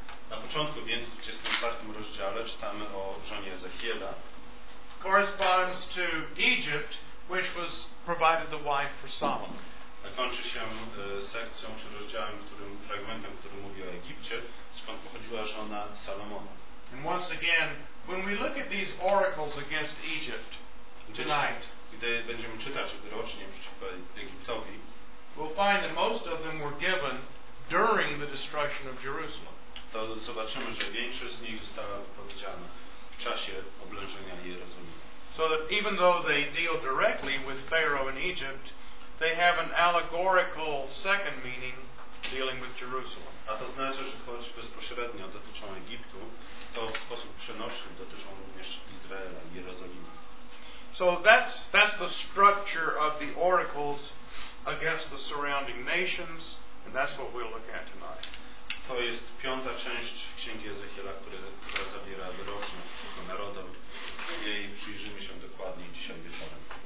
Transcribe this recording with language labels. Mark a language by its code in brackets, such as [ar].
[pl] Na początku, więc w 24 rozdziale, czytamy o żonie Ezechiela. [en] Corresponds to Egypt, which was provided the wife for Solomon. [pl] A kończy się sekcją czy rozdziałem, którym fragmentem, który mówi o Egipcie, skąd pochodziła żona Salomona. [en] And once again, when we look at these oracles against Egypt tonight, [pl] gdy będziemy czytać wyrocznie przeciwko Egiptowi, [en] we'll find that most of them were given during the destruction of Jerusalem. [pl] To zobaczymy, że większość z nich została wypowiedziana w czasie oblężenia Jerozolimy. [en] So that even though they deal directly with Pharaoh in Egypt, they have an allegorical second meaning dealing with Jerusalem. [pl] A to znaczy, że choć bezpośrednio dotyczą Egiptu, to w sposób przenośny dotyczą również Izraela. [en] So that's the structure of the oracles against the surrounding nations, and that's what we'll look at tonight. [pl] To jest piąta część Księgi Ezechiela, która zawiera wyroczne tylko narodom. Jej przyjrzymy się dokładniej dzisiaj wieczorem.